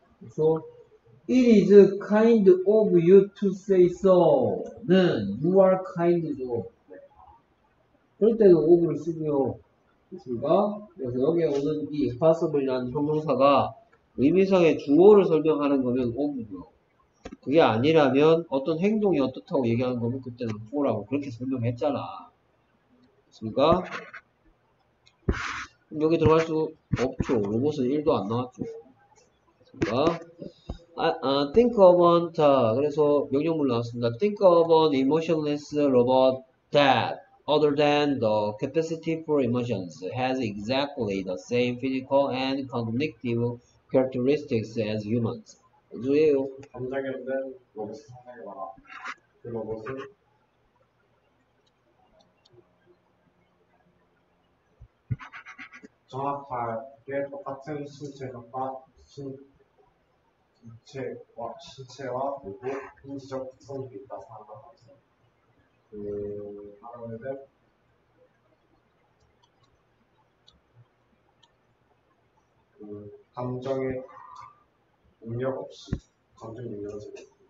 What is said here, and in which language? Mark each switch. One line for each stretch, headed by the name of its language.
Korean: 그래서
English: it is kind of you to say so는 you are kind죠.
Korean: 그럴 때는 of를 쓰고요. 그렇습니까? 그래서 여기에 오는 이 impossible이라는 형용사가 의미상의 주어를 설명하는 거면 of고요. 그게 아니라면 어떤 행동이 어떻다고 얘기하는 거면 그때는 for라고 그렇게 설명했잖아. 됐습니까? 여기 들어갈 수 없죠. 로봇은 1도 안 나왔죠. 됐습니까?
English: Think of an,
Korean: 자, 그래서 명령문 나왔습니다.
English: Think of an emotionless robot that other than the capacity for emotions has exactly the same physical and cognitive characteristics as humans.
Korean: 누구예요? 감정이 없는 로봇이 상당히 많아. 그 로봇은 정확하게 똑같은 신체와 그리고 인지적 특성이 있다 생각하면서 그 사람들 감정의 능력 없이 감정 능력 없이